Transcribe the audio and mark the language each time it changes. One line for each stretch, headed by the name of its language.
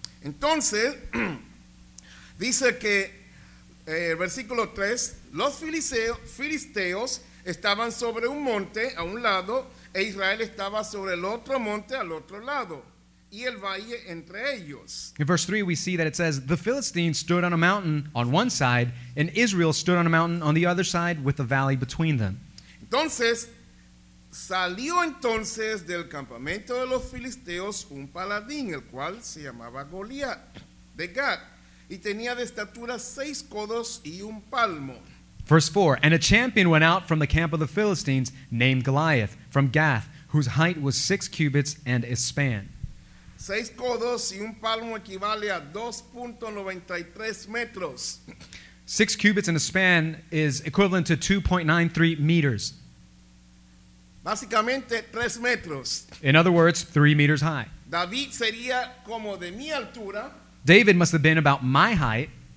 Spanish: Entonces, dice que, versículo 3, los filisteos estaban sobre un monte a un lado e Israel estaba sobre el otro monte al otro lado. Y el valle entre ellos.
English: In verse 3 we see that it says the Philistines stood on a mountain on one side and Israel stood on a mountain on the other side with a valley between them.
Spanish: Entonces salió entonces del campamento de los filisteos un paladín el cual se llamaba Goliat de Gat y tenía de estatura 6 codos y un palmo.
English: Verse 4, and a champion went out from the camp of the Philistines named Goliath from Gath, whose height was 6 cubits and a span.
Spanish: 6 codos y un palmo equivale a 2.93 metros.
English: 6 cubits in a span is equivalent to 2.93 meters.
Spanish: Básicamente 3 metros.
English: In other words, 3 meters high.
Spanish: David sería como de mi altura.
English: David must have been about my height.